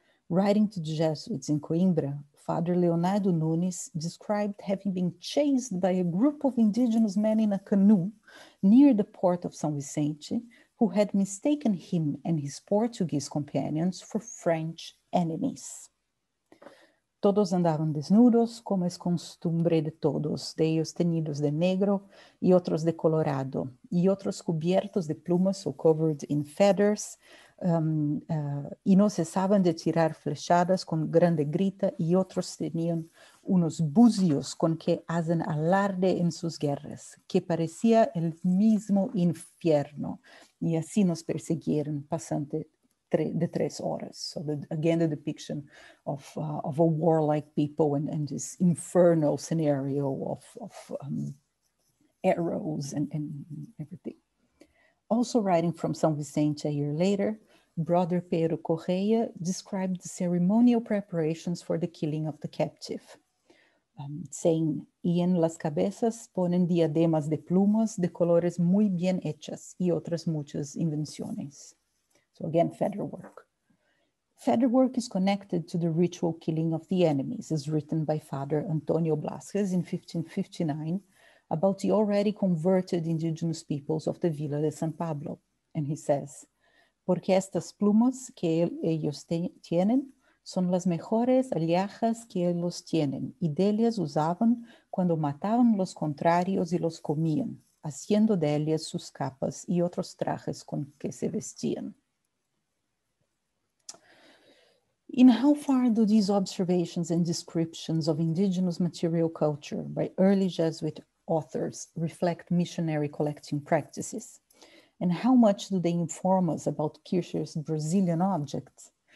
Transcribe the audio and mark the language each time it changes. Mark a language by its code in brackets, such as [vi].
[en] Writing to the Jesuits in Coimbra, Father Leonardo Nunes described having been chased by a group of indigenous men in a canoe near the port of San Vicente, who had mistaken him and his Portuguese companions for French enemies. [es] Todos andaban desnudos, como es costumbre de todos, de ellos teñidos de negro y otros de colorado, y otros cubiertos de plumas [en] or covered in feathers, [es] y no cesaban de tirar flechadas con grande grita, y otros tenían unos bucios con que hacen alarde en sus guerras, que parecía el mismo infierno, y así nos persiguieron pasante the 3 horas. [en] So again, the depiction of a warlike people and this infernal scenario of arrows and everything. Also writing from San Vicente a year later, Brother Pedro Correa described the ceremonial preparations for the killing of the captive, saying, [es] y en las cabezas ponen diademas de plumas de colores muy bien hechas y otras muchas invenciones. [en] So again, feather work. Feather work is connected to the ritual killing of the enemies, as written by Father Antonio Blasquez in 1559 about the already converted indigenous peoples of the Villa de San Pablo. And he says, [es] porque estas plumas que ellos tienen son las mejores aliajas que ellos tienen, y de ellas usaban cuando mataban los contrarios y los comían, haciendo de ellas sus capas y otros trajes con que se vestían. [en] In how far do these observations and descriptions of indigenous material culture by early Jesuit authors reflect missionary collecting practices? And how much do they inform us about Kircher's Brazilian objects?